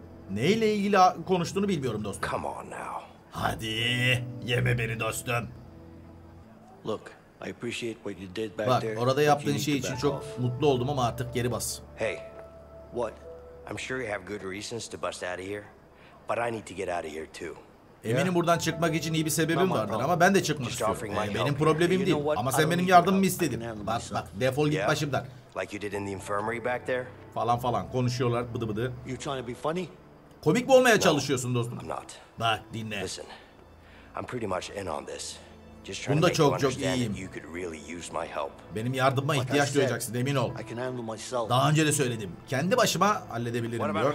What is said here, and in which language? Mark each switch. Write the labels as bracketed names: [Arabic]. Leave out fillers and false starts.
[Turkish] Neyle ilgili konuştuğunu bilmiyorum dostum. [English] Come on now. [Turkish] Hadi, yeme beni dostum. [English] Look, I appreciate what you did back [Turkish] bak, [English] there. [Turkish] Bak, orada yaptığın şey için çok mutlu oldum ama artık geri bas. [English] Hey, what? I'm sure you have good reasons to bust out of here, but I need to get out of here too. [Turkish] Eminim buradan çıkmak için iyi bir sebebim vardır ama ben de çıkmak istiyorum. Benim problemim değil ama sen benim yardımımı istedin. Bak, defol git başımdan. [English] Like you did in the infirmary back there. [Turkish] Falan konuşuyorlar, bıdı bıdı. [English] You trying to be funny? [Turkish] Komik mi olmaya çalışıyorsun dostum? [English] I'm not. [Turkish] Bak, dinle. [English] Listen, I'm pretty much in on this. [Turkish] Bunda çok iyiyim. Really benim yardıma ihtiyaç duyacaksın, emin ol. Daha önce de söyledim. Kendi başıma halledebilirim diyor.